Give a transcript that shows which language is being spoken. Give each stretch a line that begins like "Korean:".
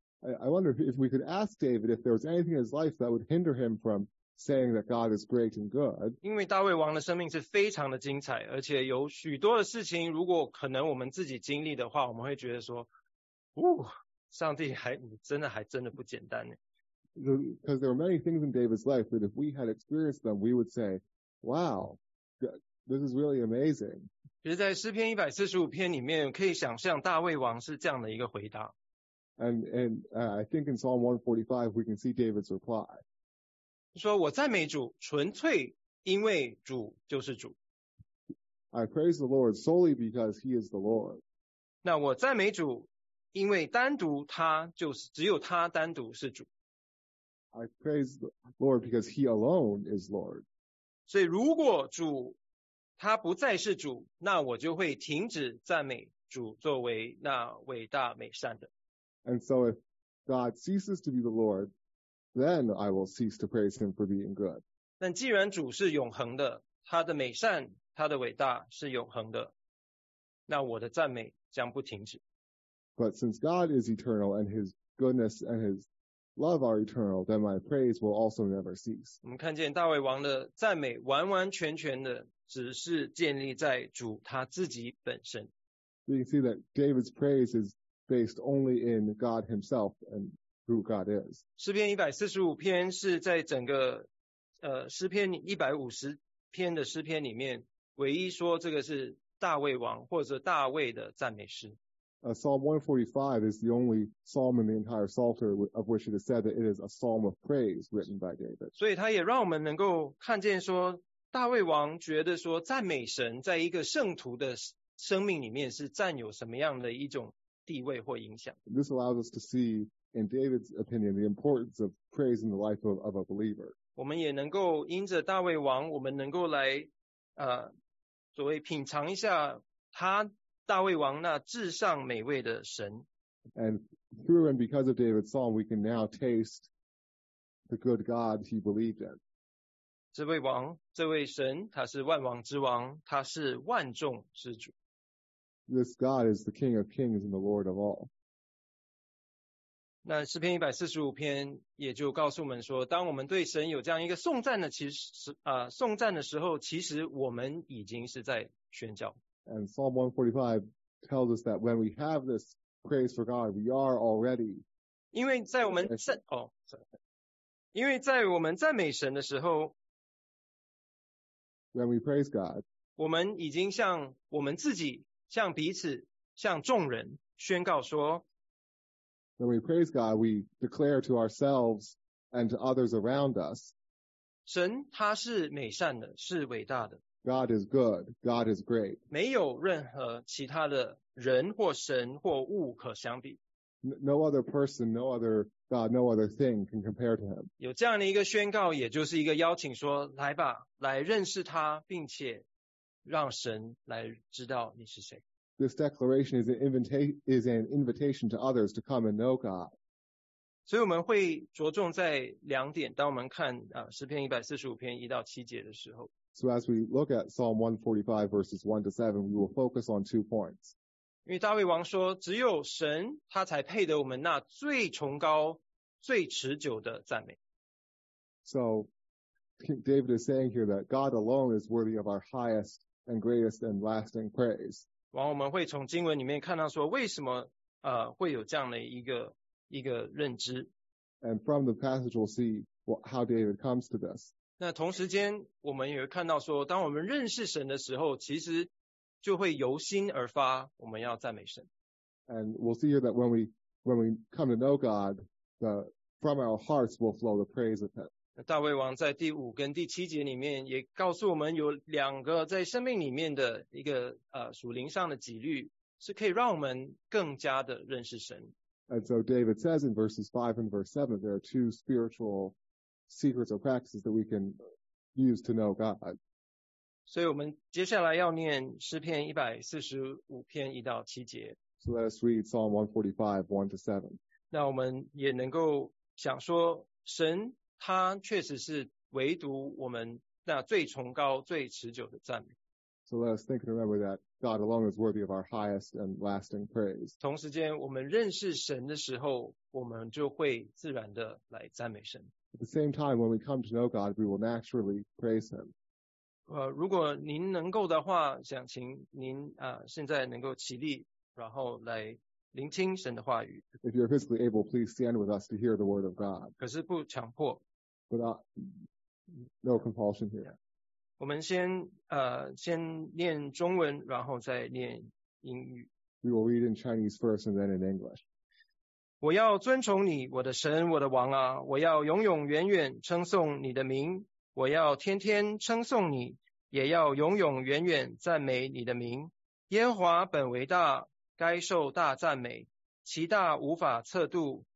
English: I wonder if we could ask David if there was anything in his life that would hinder him from saying that God is great and good.
Chinese: 因为大卫王的生命是非常的精彩，而且有许多的事情，如果可能我们自己经历的话，我们会觉得说，上帝还真的不简单呢。
English: Because there were many things in David's life that if we had experienced them, we would say, wow, this is really amazing.
Chinese: 其实在诗篇145篇里面，可以想象大卫王是这样的一个回答。
English: And I think in Psalm 145, we can see David's reply.
Chinese: 说我赞美主，纯粹因为主就是主。
English: I praise the Lord solely because He is the Lord.
Chinese: 那我赞美主，因为单独他就是只有他单独是主。
English: I praise the Lord because He alone is Lord.
Chinese: 所以如果主他不再是主，那我就会停止赞美主作为那伟大美善的。
English: And so if God ceases to be the Lord,Then I will cease to praise him for being good.
Chinese: 但既然主是永恒的，他的美善，他的伟大是永恒的，那我的赞美将不停止。
English: But since God is eternal and his goodness and his love are eternal, then my praise will also never cease.
Chinese: 我们看见大卫王的赞美完完全全的只是建立在主他自己本身。
English: We can see that David's praise is based only in God himself and Who God is.
Chinese: 诗篇145篇是在整个诗篇150篇的诗篇里面唯一说这个是大卫王或者大卫的赞美诗。
English: Psalm 145 is the only psalm in the entire Psalter of which it is said that it is a psalm of praise written by David.
Chinese: 所以他也让我们能够看见说大卫王觉得说赞美神在一个圣徒的生命里面是占有什么样的一种地位或影响。
English: This allows us to see,In David's opinion, the importance of praise in the life of a believer.
Chinese: 我们也能够因着大卫王，我们能够来所谓品尝一下他大卫王那至上美味的神。
English: And through and because of David's psalm, we can now taste the good God he believed in.
Chinese: 这位王，这位神，他是万王之王，他是万众之主。
English: This God is the King of Kings and the Lord of all.
Chinese: 那诗篇145篇也就告诉我们说，当我们对神有这样一个颂赞的颂赞的时候，其实我们已经是在宣教。
English: And Psalm 145 tells us that when we have this praise for God. We are already.
Chinese: 因为在我们赞哦，因为在我们赞美神的时候
English: ，when we praise God，
Chinese: 我们已经向我们自己、向彼此、向众人宣告说
English: ，when we praise God， we declare to ourselves and to others around us，
Chinese: 神他是美善的，是伟大的。
English: God is good. God is great.
Chinese: 没有任何其他的人或神或物可相比。
English: No other person, no other God, no other thing can compare to him.
Chinese: 有这样的一个宣告，也就是一个邀请说，来吧，来认识他，并且让神来知道你是谁。
English: This declaration is an invitation to others to come and know God.
Chinese: 所以我们会着重在两点，当我们看诗篇145篇1到7节的时候。
English: So as we look at Psalm 145 verses 1 to 7, we will focus on two points.
Chinese: 因为大卫王说，只有神他才配得我们那最崇高、最持久的赞美。
English: So David is saying here that God alone is worthy of our highest and greatest and lasting praise.
Chinese: 然后我们会从经文里面看到说，为什么会有这样的一个认知。
English: And from the passage we'll see how David comes to this.
Chinese: 那同时间我们也会看到说，当我们认识神的时候，其实就会由心而发我们要赞美神。
English: And we'll see here that when we come to know God, from our hearts will flow the praise of him.
Chinese: 大卫王在第五跟第七节里面也告诉我们，有两个在生命里面的一个属灵上的几率是可以让我们更加的认识神。
English: And so David says in verses 5 and verse 7 there are two spiritualsecrets or practices that we can use to know God.
Chinese: 所以我们接下来要念诗篇145篇1到7节。
English: So let us read Psalm 145, 1 to 7.
Chinese: 那我们也能够想说，神他确实是唯独我们那最崇高、最持久的赞美。
English: So let us think and remember that God alone is worthy of our highest and lasting praise.
Chinese: 同时间我们认识神的时候，我们就会自然的来赞美神。
English: At the same time, when we come to know God, we will naturally praise Him.
Chinese: 如果您能够的话，想请您现在能够起立，然后来聆听神的话语。
English: If you're physically able, please stand with us to hear the word of God.
Chinese: 可是不强迫。
English: But no compulsion here.
Chinese: 我们先念中文，然后再念英语。
English: We will read in Chinese first and then in English.
Chinese: 我要尊崇你，我的神，我的王啊，我要永永远远称颂你的名，我要天天称颂你，也要永永远远赞美你的名。耶和华本为大，该受大赞美，其大无法测度。